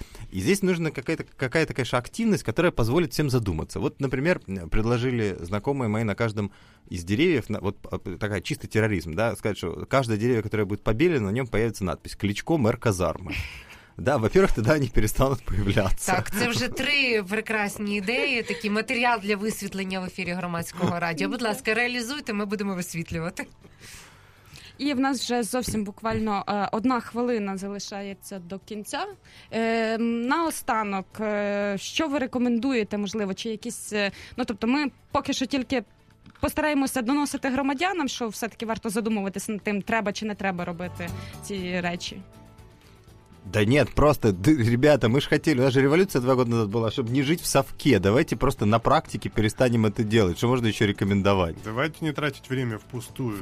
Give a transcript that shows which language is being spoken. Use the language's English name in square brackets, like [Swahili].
[Russian] И здесь нужна какая-то, конечно, активность, которая позволит всем задуматься. Вот, например, предложили знакомые мои на каждом из деревьев, вот такая чистый терроризм, да, сказать, что каждое дерево, которое будет побелено, на нем появится надпись «Кличко мэр казармы». Да, во-первых, тогда они перестанут появляться. [Ukrainian] Так, це вже три прекрасні ідеї, такий матеріал для висвітлення в ефірі громадського радіо. Будь ласка, реалізуйте, ми будемо висвітлювати. І в нас вже зовсім буквально одна хвилина залишається до кінця. Наостанок, що ви рекомендуєте, можливо, чи якісь... Ну, тобто, ми поки що тільки постараємося доносити громадянам, що все-таки варто задумуватися над тим, треба чи не треба робити ці речі. [Russian] Да нет, просто, ребята, мы же хотели, у нас же революция 2 года назад была, чтобы не жить в совке, давайте просто на практике перестанем это делать, что можно еще рекомендовать? Давайте не тратить время впустую.